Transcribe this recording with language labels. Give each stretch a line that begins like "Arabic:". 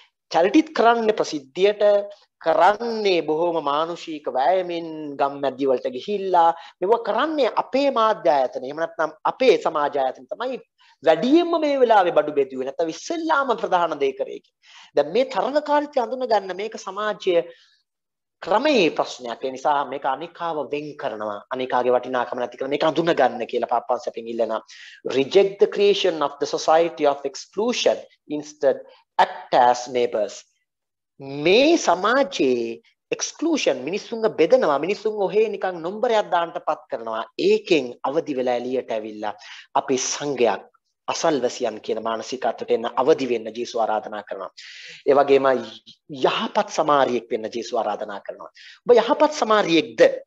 Sinhala: චැරිටිත් කරන්නේ ප්‍රසිද්ධියට කරන්නේ බොහොම මානුෂීක වෑයමින් ගම්මැදි වලට ගිහිල්ලා මෙව කරන්නේ අපේ මාධ්‍ය ආයතන එහෙම නැත්නම් අපේ සමාජ ආයතන තමයි වැඩියෙන්ම මේ වෙලාවේ බඩු බෙදුවේ නැත්නම් ඉස්සෙල්ලාම ප්‍රධාන දේ කරේ කියලා. දැන් මේ තරඟකාරීත්‍ය අඳුන ගන්න මේක සමාජයේ ක්‍රමයේ ප්‍රශ්නයක්. ඒ නිසා මේක අනිකාව වෙන් කරනවා. අනිකාගේ වටිනාකම නැති කරන මේක අඳුන ගන්න කියලා පාපන්ස අපින් ඉල්ලනවා.
English: Reject the creation of the society of exclusion instead act as neighbors.
Sinhala: මේ සමාජයේ එක්ස්ක්ලූෂන් මිනිසුන්ව බෙදනවා මිනිසුන් ඔහේ නිකන් නම්බරයක් දාන්නටපත් කරනවා ඒකෙන් අවදි වෙලා එළියට ඇවිල්ලා අපි සංගයක් අසල්වැසියන් කියන මානසිකත්වයට එන්න අවදි වෙන්න ජේසු ආරාධනා කරනවා ඒ වගේම යහපත් සමාරියෙක් වෙන්න ජේසු ආරාධනා කරනවා ඔබ යහපත් සමාරියෙක්ද